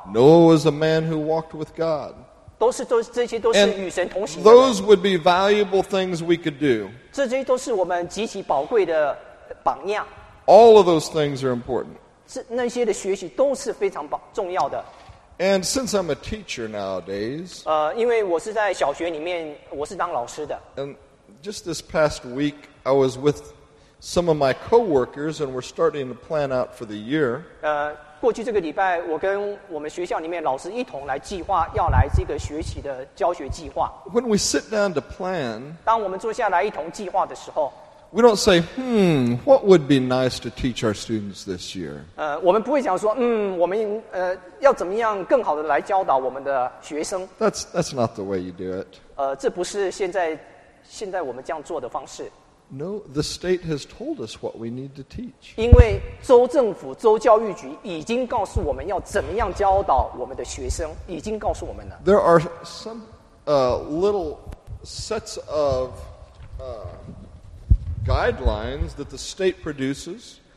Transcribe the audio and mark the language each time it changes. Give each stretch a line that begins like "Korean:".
English: Noah was a man who walked with God.
Chinese: 这些都是与神同行的。
English: Those would be valuable things we could do.
Chinese: 这些都是我们极其宝贵的榜样。
English: All of those things are important.
Chinese: 那些的学习都是非常重要的。
English: And since I'm a teacher nowadays,
Chinese: 因为我是在小学里面，我是当老师的。
English: And just this past week, I was with some of my coworkers, and we're starting to plan out for the year.
Chinese: 过去这个礼拜，我跟我们学校里面老师一同来计划要来这个学期的教学计划。
English: When we sit down to plan,
Chinese: 当我们坐下来一同计划的时候。
English: We don't say, what would be nice to teach our students this year?
Chinese: 我们不会讲说，我们要怎么样更好的来教导我们的学生。
English: That's not the way you do it.
Chinese: 这不是现在我们这样做的方式。
English: No, the state has told us what we need to teach.
Chinese: 因为州政府、州教育局已经告诉我们要怎么样教导我们的学生，已经告诉我们了。
English: There are some little sets of. Guidelines that the state produces.